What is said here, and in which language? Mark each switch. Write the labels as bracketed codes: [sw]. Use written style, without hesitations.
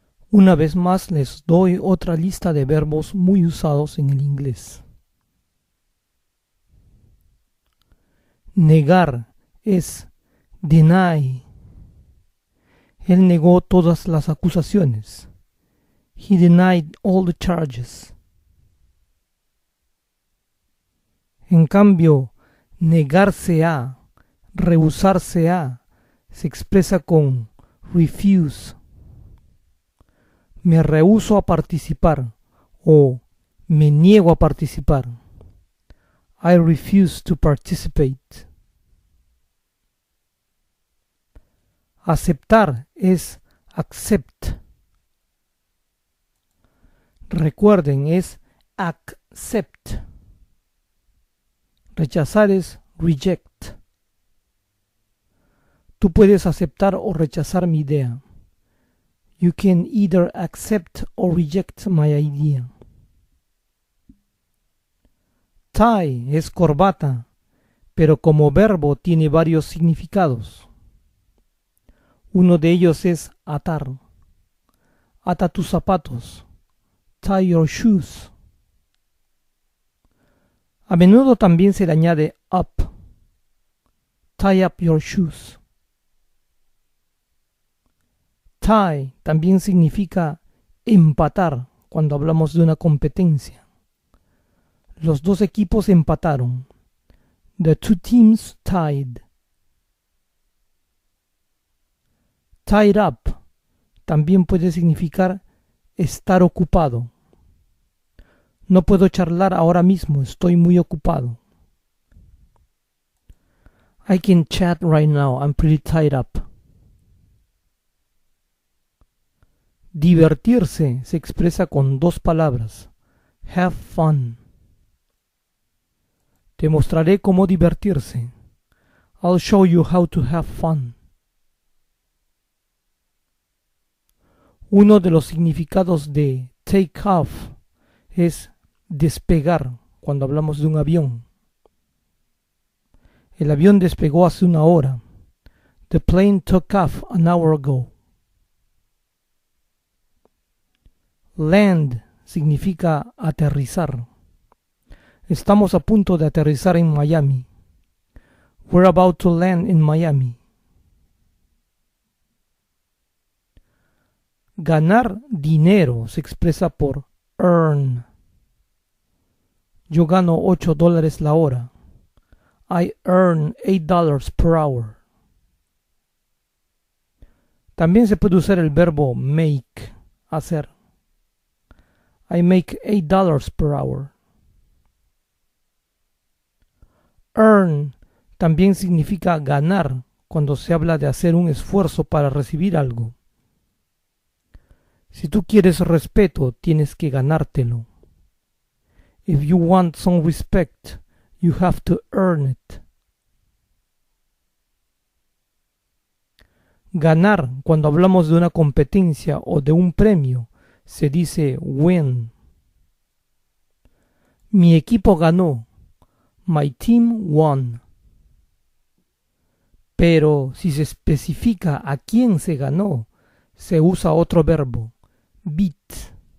[es] Una vez más les doy otra lista de verbos muy usados en el inglés. Negar es deny. Él negó todas las acusaciones. [en] He denied all the charges. [es] En cambio, negarse a, rehusarse a, se expresa con refuse. Me rehúso a participar o me niego a participar. [en] I refuse to participate. [es] Aceptar es accept. Recuerden, es accept. Rechazar es reject. Tú puedes aceptar o rechazar mi idea. [en] You can either accept or reject my idea. [es] Tie es corbata, pero como verbo tiene varios significados. Uno de ellos es atar. Ata tus zapatos. [en] Tie your shoes. [es] A menudo también se le añade up. [en] Tie up your shoes. [es] Tie también significa empatar cuando hablamos de una competencia. Los dos equipos empataron. [en] The two teams tied. [es] Tied up también puede significar estar ocupado. No puedo charlar ahora mismo, estoy muy ocupado. [en] I can chat right now, I'm pretty tied up. [es] Divertirse se expresa con dos palabras. [en] Have fun. [es] Te mostraré cómo divertirse. [en] I'll show you how to have fun. [es] Uno de los significados de take off es despegar cuando hablamos de un avión. El avión despegó hace una hora. [en] The plane took off an hour ago. [es] Land significa aterrizar. Estamos a punto de aterrizar en Miami. [en] We're about to land in Miami. [es] Ganar dinero se expresa por earn. Yo gano $8 la hora. [en] I earn $8 per hour. [es] También se puede usar el verbo make, hacer. [en] I make $8 per hour. [es] Earn también significa ganar cuando se habla de hacer un esfuerzo para recibir algo. Si tú quieres respeto, tienes que ganártelo. [en] If you want some respect, you have to earn it. [es] Ganar, cuando hablamos de una competencia o de un premio, se dice win. Mi equipo ganó. [en] My team won. [es] Pero si se especifica a quién se ganó, se usa otro verbo, beat.